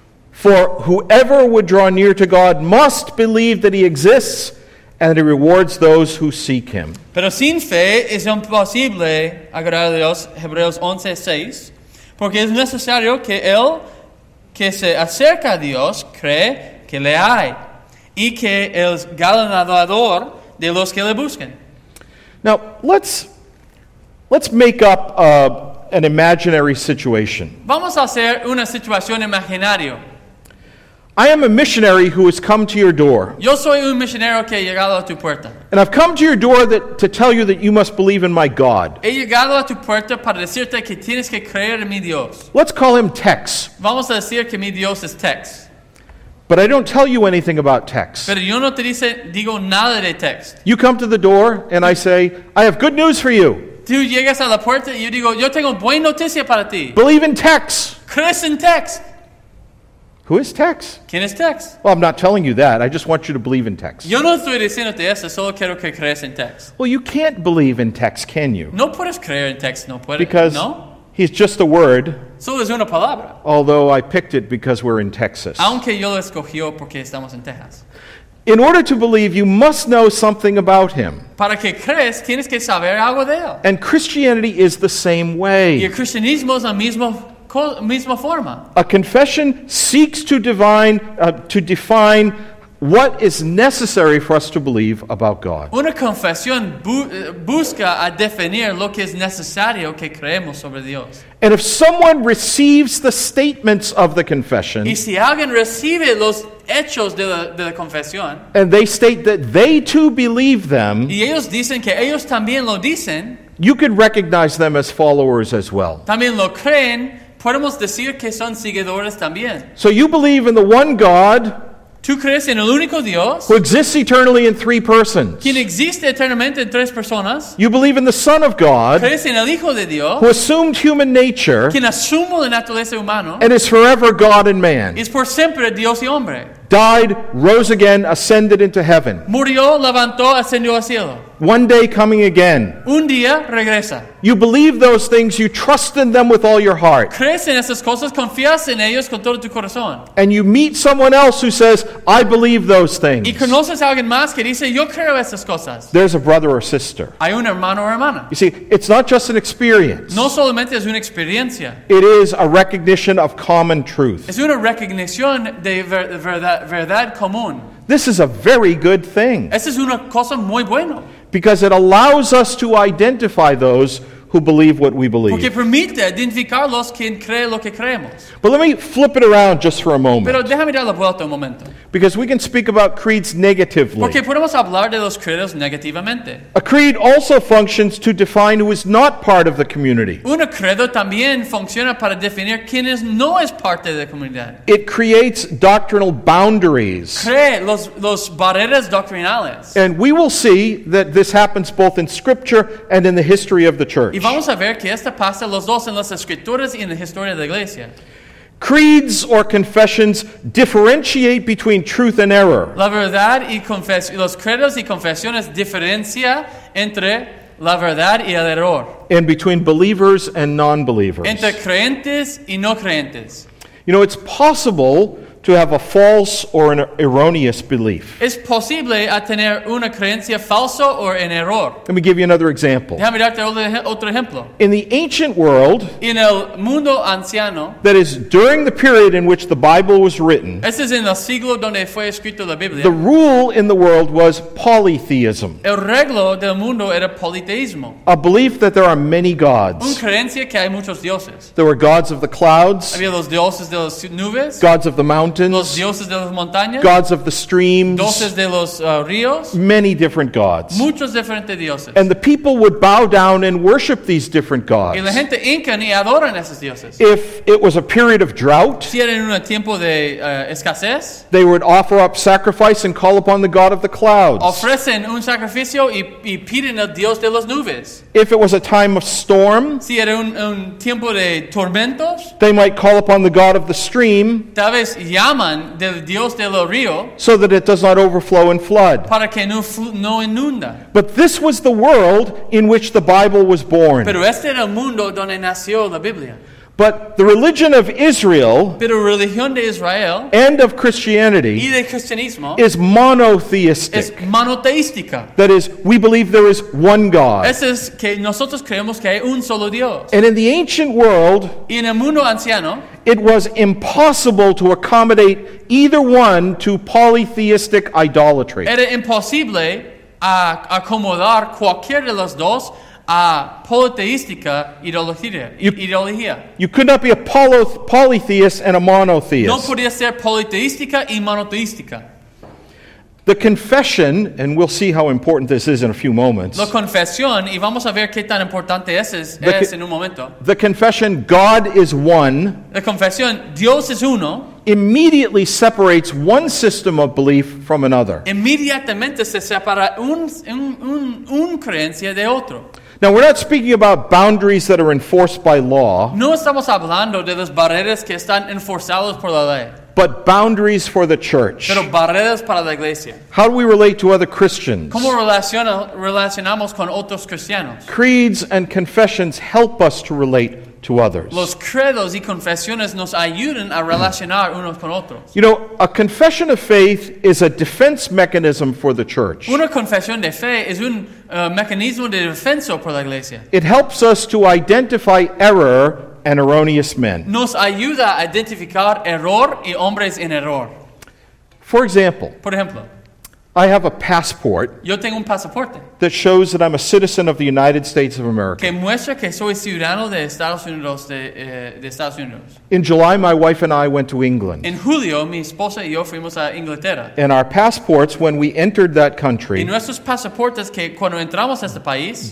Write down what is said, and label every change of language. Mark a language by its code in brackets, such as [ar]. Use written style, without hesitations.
[en] For whoever would draw near to God must believe that He exists and that He rewards those who seek Him. [es] Pero sin fe es imposible agradar a Dios. Hebreos 11:6. Porque es necesario que el que se acerca a Dios cree que le hay y que es galardonador de los que le buscan. [en] Now, let's make up an imaginary situation. [es] Vamos a hacer una situación imaginaria. [en] I am a missionary who has come to your door. [es] Yo soy un misionero que ha llegado a tu puerta. [en] And I've come to your door to tell you that you must believe in my God. [es] He llegado a tu puerta para decirte que tienes que creer en mi Dios. [en] Let's call him Tex. [es] Vamos a decir que mi Dios es Tex. [en] But I don't tell you anything about Tex. [es] Pero yo no te digo nada de Tex. [en] You come to the door and I say, I have good news for you. [es] Tú llegas a la puerta y yo digo, yo tengo buena noticia para ti. [en] Believe in Tex. [es] Crees en Tex. [en] Who is Tex? [es] ¿Quién es Tex? [en] Well, I'm not telling you that. I just want you to believe in Tex. [es] Yo no estoy diciéndote eso. Solo quiero que creas en Tex. [en] Well, you can't believe in Tex, can you? [es] No puedes creer en Tex. No puedes. [en] Because [es] no? [en] He's just a word. [es] Solo es una palabra. [en] Although I picked it because we're in Texas. [es] Aunque yo lo escogió porque estamos en Texas. [en] In order to believe, you must know something about him. [es] Para que creas, tienes que saber algo de él. [en] And Christianity is the same way. [es] Y el cristianismo es el mismo. Misma forma. [en] A confession seeks to define what is necessary for us to believe about God. [es] Una confesión busca a definir lo que es necesario que creemos sobre Dios. [en] And if someone receives the statements of the confession, [es] y si alguien recibe los hechos de la confesión, [en] and they state that they too believe them, [es] y ellos dicen que ellos también lo dicen, [en] you could recognize them as followers as well. [es] También lo creen. Podemos decir que son seguidores también. [en] So you believe in the one God. [es] Tú crees en el único Dios. [en] Who exists eternally in three persons. [es] Quien existe eternamente en tres personas. [en] You believe in the Son of God. [es] Crees en el Hijo de Dios. [en] Who assumed human nature. [es] Quien asumió la naturaleza humana. [en] And is forever God and man. [es] Es por siempre Dios y hombre. [en] Died, rose again, ascended into heaven. [es] Murió, levantó, ascendió al cielo. [en] One day coming again. [es] Un día regresa. [en] You believe those things, you trust in them with all your heart. [es] Crees en esas cosas, confías en ellos con todo tu corazón. [en] And you meet someone else who says, I believe those things. [es] Y conoces a alguien más que dice, yo creo esas cosas. [en] There's a brother or sister. [es] Hay un hermano o hermana. [en] You see, it's not just an experience. [es] No solamente es una experiencia. [en] It is a recognition of common truth. [es] Es una recognición de verdad común. [en] This is a very good thing. [es] Esa es una cosa muy buena. [en] Because it allows us to identify those who believe what we believe. [es] Porque permite identificar los que creen lo que creemos. [en] But let me flip it around just for a moment. [es] Pero déjame dar la vuelta un momento. [en] Because we can speak about creeds negatively. [es] Porque podemos hablar de los credos negativamente. [en] A creed also functions to define who is not part of the community. [es] Un credo también funciona para definir quién es no es parte de la comunidad. [en] It creates doctrinal boundaries. [es] Crea los barreras doctrinales. [en] And we will see that this happens both in Scripture and in the history of the Church. [es] Y vamos a ver que esto pasa los dos en las Escrituras y en la historia de la Iglesia. [en] Creeds or confessions differentiate between truth and error. [es] La verdad y los credos y confesiones diferencia entre la verdad y el error. [en] And between believers and non-believers. [es] Entre creyentes y no creyentes. [en] You know, it's possible to have a false or an erroneous belief. [es] Es posible a tener una creencia falsa o en error. [en] Let me give you another example. [es] Déjame darte otro ejemplo. [en] In the ancient world, [es] en el mundo anciano, [en] that is during the period in which the Bible was written, [es] ese es en el siglo donde fue escrito la Biblia, [en] the rule in the world was polytheism. [es] El reglo del mundo era politeísmo. [en] A belief that there are many gods. [es] Una creencia que hay muchos dioses. [en] There were gods of the clouds. [es] Había los dioses de las nubes. [en] Gods of the mountains. [es] Los dioses de las montañas, [en] gods of the streams, [es] dioses de los ríos, [en] many different gods, [es] muchos diferentes dioses. [en] And the people would bow down and worship these different gods. [es] Y la gente hincan y adoran esos dioses. [en] If it was a period of drought, [es] si era en un tiempo de escasez, [en] they would offer up sacrifice and call upon the god of the clouds. [es] Ofrecen un sacrificio y piden al dios de las nubes. [en] If it was a time of storm, [es] si era un tiempo de tormentos, [en] they might call upon the god of the stream. [es] Tal vez llaman del dios del río, [en] so that it does not overflow and flood. [es] Para que no inunda. [en] But this was the world in which the Bible was born. [es] Pero este era el mundo donde nació la Biblia. [en] But the religion of Israel, [es] pero religión de Israel [en] and of Christianity [es] y de cristianismo [en] is monotheistic. [es] Es monoteística. [en] That is, we believe there is one God. [es] Eso es que nosotros creemos que hay un solo Dios. [en] And in the ancient world, [es] y en el mundo anciano, [en] it was impossible to accommodate either one to polytheistic idolatry. [es] Era imposible acomodar cualquiera de los dos a politeística ideología. [en] You could not be a polytheist and a monotheist. [es] No podía ser politeística y monoteística. [en] The confession, and we'll see how important this is in a few moments. [es] La confesión, y vamos a ver qué tan importante es en un momento. [en] The confession, God is one. [es] La confesión, Dios es uno. [en] Immediately separates one system of belief from another. [es] Inmediatamente se separa un creencia de otro. [en] Now we're not speaking about boundaries that are enforced by law. [es] No estamos hablando de las barreras que están enforzados por la ley. [en] But boundaries for the church. [es] Pero barreras para la iglesia. [en] How do we relate to other Christians? [es] ¿Cómo relacionamos con otros cristianos? [en] Creeds and confessions help us to relate to others. [es] Los credos y confesiones nos ayudan a relacionar unos con otros. [en] You know, a confession of faith is a defense mechanism for the church. [es] Una confesión de fe es un mecanismo de defensa para la iglesia. [en] It helps us to identify error and erroneous men. [es] Nos ayuda a identificar error y hombres en error. [en] For example, [es] por ejemplo, [en] I have a passport. [es] Yo tengo un pasaporte [en] that shows that I'm a citizen of the United States of America. [es] Que muestra que soy ciudadano de Estados Unidos, de Estados Unidos. [en] In July, my wife and I went to England. [es] En julio, mi esposa y yo fuimos a Inglaterra. [en] And our passports, when we entered that country, [es] y nuestros pasaportes que cuando entramos a este país,